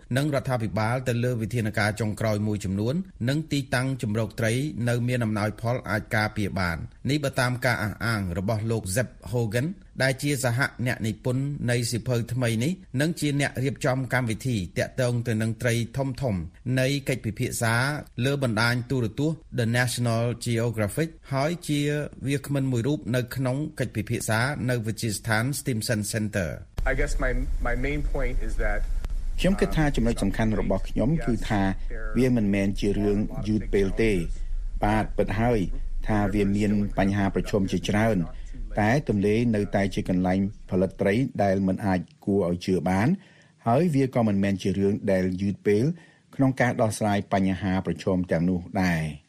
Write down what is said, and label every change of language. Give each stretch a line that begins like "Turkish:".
Khmer: និងរដ្ឋាភិបាលទៅលើវិធានការចុងក្រោយមួយចំនួននិងទីតាំងចម្រុះត្រីនៅមានអំណោយផលអាចការពារបាននេះបើតាមការអះអាងរបស់លោក Zeb Hogan ដែលជាសហអ្នកនិពន្ធនៃសិភៅថ្មីនេះនិងជាអ្នករៀបចំកម្មវិធីតាក់ទងទៅនឹងត្រីធំធំនៃកិច្ចពិភាក្សាលើបណ្ដាញទូរទស្សន៍ The National Geographic ហើយជាវាគ្មិនមួយរូបនៅក្នុងកិច្ចពិភាក្សានៅវិទ្យាស្ថាន Stimson Center
English: I guess my main point is that
Khmer: ខ្ញុំគិតថាចំណុចសំខាន់របស់ខ្ញុំគឺថាវាមិនមែនជារឿងយឺតពេលទេបាទពិតហើយ ថាវាមានបញ្ហាប្រឈមជាច្រើនតែទន្លេនៅតែជាកន្លែងផលិតត្រីដែលមិនអាចគួរឲ្យជឿបានហើយវាក៏មិនមែនជារឿងដែលយឺតពេលក្នុងការដោះស្រាយបញ្ហាប្រឈមទាំងនោះដែរ